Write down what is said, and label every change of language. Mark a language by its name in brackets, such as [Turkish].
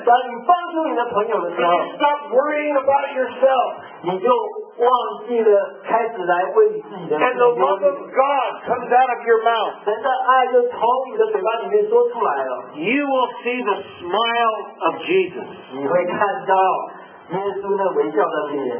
[Chinese] 当你帮助你的朋友的时候, [English] you stop worrying about yourself, [Chinese] 你就忘记了开始来为你自己的人, [English] and the love of God comes out of your mouth, [Chinese] 神的爱就从你的嘴巴里面说出来了, [English] you will see the smile of Jesus, [Chinese] 你会看到耶稣那微笑的脸,